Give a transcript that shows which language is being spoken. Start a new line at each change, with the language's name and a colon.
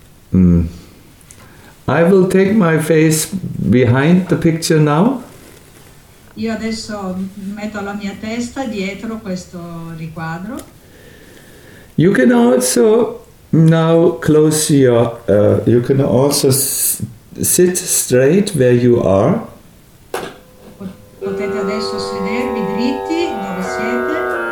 English: I will take my face behind the picture now.
Italian: Io adesso metto la mia testa dietro questo riquadro.
English: You can also now close your you can also sit straight where you are.
Italian: Potete adesso sedervi dritti dove siete.